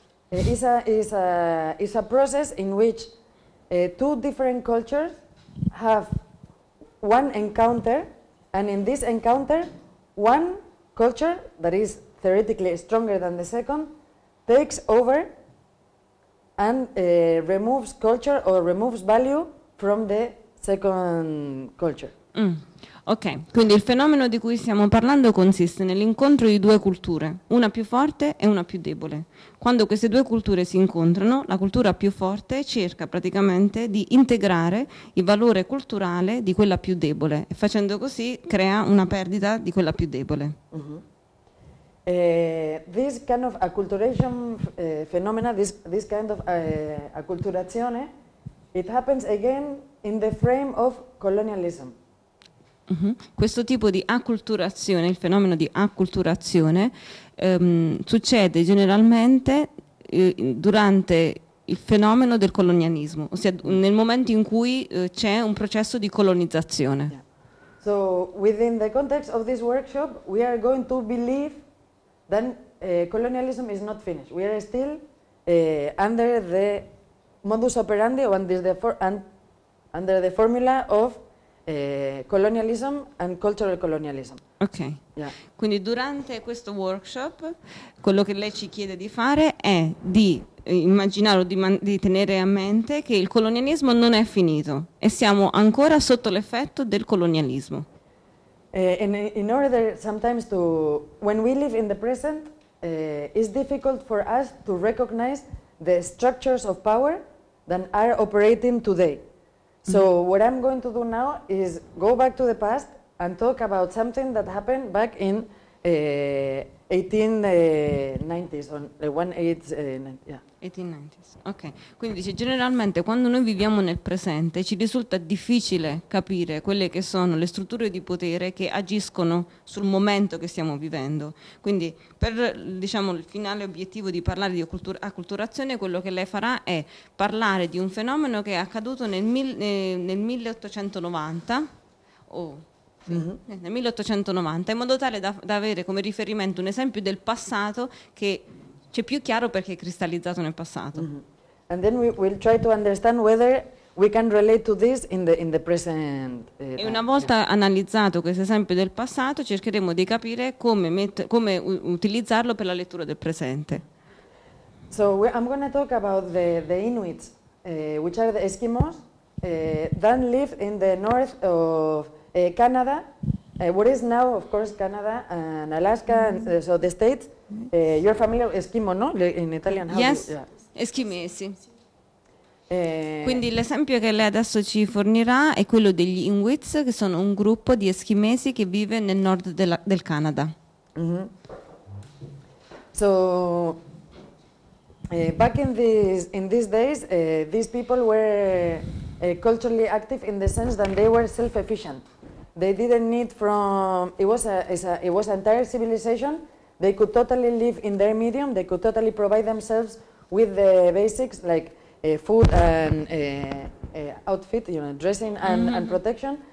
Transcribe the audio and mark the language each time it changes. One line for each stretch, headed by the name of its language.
English: It's a process in which two different cultures have one encounter, and in this encounter, one culture that is theoretically stronger than the second takes over and removes culture or removes value from the second culture. Mm.
Italian: Ok, quindi il fenomeno di cui stiamo parlando consiste nell'incontro di due culture, una più forte e una più debole. Quando queste due culture si incontrano, la cultura più forte cerca praticamente di integrare il valore culturale di quella più debole, e facendo così crea una perdita di quella più debole. Mm-hmm.
English: This kind of acculturation phenomena, this kind of acculturazione, it happens again in the frame of colonialism.
Italian: Questo tipo di acculturazione, il fenomeno di acculturazione, succede generalmente durante il fenomeno del colonialismo, ossia nel momento in cui c'è un processo di colonizzazione.
English: So within the context of this workshop we are going to believe that colonialism is not finished. We are still under the modus operandi or under the formula of colonialism and cultural colonialism. Ok, yeah.
Italian: Quindi durante questo workshop quello che lei ci chiede di fare è di immaginare o di tenere a mente che il colonialismo non è finito e siamo ancora sotto l'effetto del colonialismo.
English: In order sometimes to, when we live in the present, it's difficult for us to recognize the structures of power that are operating today. So what I'm going to do now is go back to the past and talk about something that happened back in 1890s. Okay.
Italian: Quindi dice, generalmente quando noi viviamo nel presente ci risulta difficile capire quelle che sono le strutture di potere che agiscono sul momento che stiamo vivendo. Quindi per, diciamo, il finale obiettivo di parlare di acculturazione, quello che lei farà è parlare di un fenomeno che è accaduto nel 1890 nel 1890, in modo tale da avere come riferimento un esempio del passato che c'è più chiaro perché è cristallizzato nel passato.
English: And then we will try to understand whether we can relate to this in the present.
Italian: E una volta analizzato questo esempio del passato, cercheremo di capire come utilizzarlo per la lettura del presente.
English: So I'm going to talk about the Inuits, which are the Eskimos, that live in the north of Canada, what is now, of course, Canada and Alaska, and so the states. You're familiar with Eskimo, no? In Italian, how yes, yeah. Eskimesi.
Italian: Quindi l'esempio che lei adesso ci fornirà è quello degli Inuits, che sono un gruppo di eschimesi che vive nel nord del Canada.
English: So, back in these days, these people were culturally active in the sense that they were self-efficient. They didn't need it was an entire civilization. They could totally live in their medium. They could totally provide themselves with the basics like food and outfit, you know, dressing and, mm-hmm. and protection.